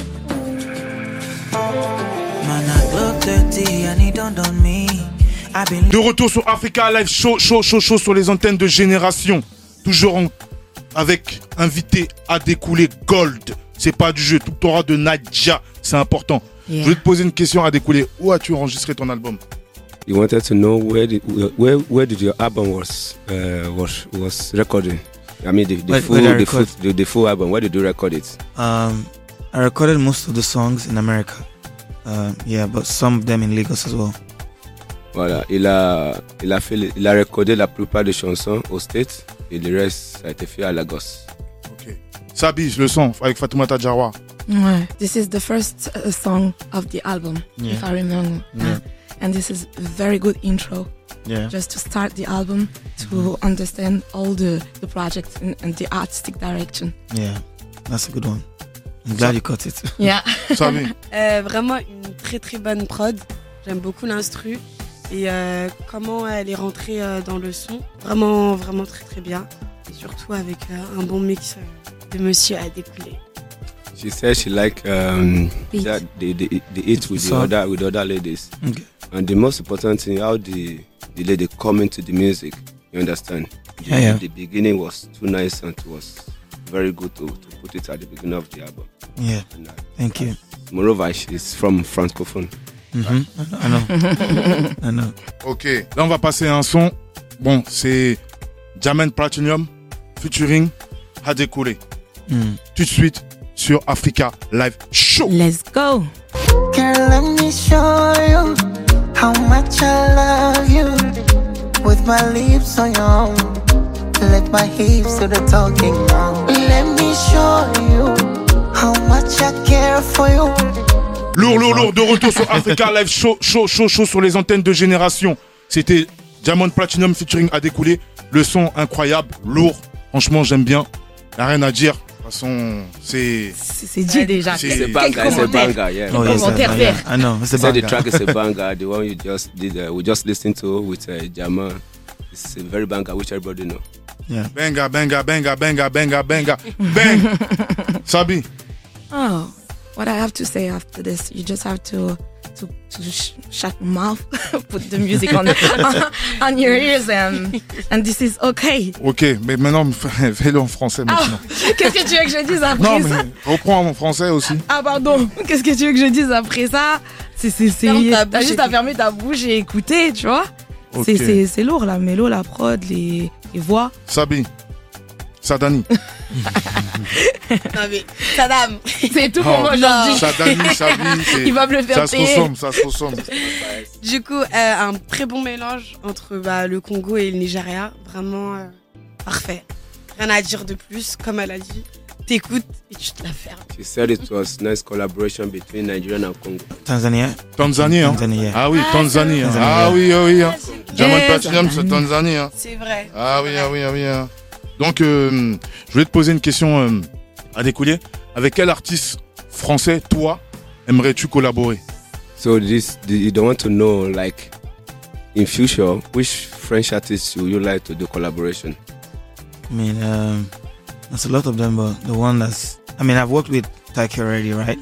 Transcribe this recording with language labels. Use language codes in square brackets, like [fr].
[en] Man, I look dirty and he don't on me. [fr] De retour sur Africa Live, chaud, chaud, chaud, chaud sur les antennes de Génération. Toujours avec invité à découler Gold. C'est pas du jeu, tout aura de Nadja, c'est important. Yeah. Je vais te poser une question à découler. Où as-tu enregistré ton album? [en] You wanted to know where did your album was recorded? I mean the full album. Where did you record it? I recorded most of the songs in America. Yeah, but some of them in Lagos as well. [fr] Voilà, il a recordé la plupart des chansons au States et le reste a été fait à Lagos. Ok. Sabi, le son avec Fatoumata Jawa. [en] Ouais, this is the first song of the album, yeah. If I remember. Yeah. And this is a very good intro. Yeah. Just to start the album, to understand all the project and the artistic direction. Yeah, that's a good one. I'm glad you caught it. Yeah. Sabi. [fr] Vraiment une très très bonne prod. J'aime beaucoup l'instru. Et comment elle est rentrée dans le son, vraiment, vraiment très, très bien. Et surtout avec un bon mix de Monsieur à découler. [en] She said she like that the with the other ladies. Okay. And the most important thing, how the lady come into the music, you understand? Yeah, yeah. The beginning was too nice and it was very good to put it at the beginning of the album. Yeah, and, thank you. Moreover, she's from Francophone. Mm-hmm. I know. [fr] Ok, là on va passer un son. Bon, c'est Diamond Platinum featuring Hadekoule. Mm. Tout de suite sur Africa Live Show. [en] Let's go. Girl, let me show you how much I love you. With my lips on your own, let my hips do the talking. Let me show you how much I care for you. [fr] Lourd, lourd, lourd, de retour sur Africa Live, chaud, chaud, chaud, chaud sur les antennes de Génération. C'était Diamond Platinum featuring Hadekoule. Le son incroyable, lourd. Franchement, j'aime bien. Il n'y a rien à dire. De toute façon, c'est. C'est dit déjà. C'est banga, yeah. [en] Oh, yeah, [fr] commentaire vert. Ah non, c'est banga. [en] The track is a banga. The one you just did, we just listened to with Diamond. It's a very banga, which everybody know. Yeah. Banga, banga, banga, banga, banga, banga. Bang! Sabi. Oh. What I have to say after this, you just have to shut your mouth, put the music on your ears, and this is okay. [fr] Ok, mais maintenant, fais-le en français maintenant. Oh, qu'est-ce que tu veux que je dise après non, ça? Non, mais reprends mon français aussi. Ah, pardon, qu'est-ce que tu veux que je dise après ça? C'est t'as juste à fermer ta bouche et écouter, tu vois? [en] Okay. [fr] C'est lourd, la mélo, la prod, les voix. Sabi. Sadani. Non mais Sadam, c'est tout pour moi aujourd'hui. Sadani, Sabi, il va me le faire ça payer. Se ressemble, ça se ressemble. Du coup, un très bon mélange entre le Congo et le Nigeria, vraiment parfait. Rien à dire de plus, comme elle a dit. T'écoutes et tu te la fermes. [en] She said it was nice collaboration between Nigeria and Congo. [fr] Tanzanie. Ah oui, Tanzanie. Ah oui. Diamond Platinum, c'est Tanzanie. Hein. C'est vrai. Ah oui. Donc, je voulais te poser une question à découler. Avec quel artiste français, toi, aimerais-tu collaborer? [en] So, you don't want to know, like, in future, which French artist would you like to do collaboration? I mean, there's a lot of them, but the one that's... I mean, I've worked with Taiki already, right?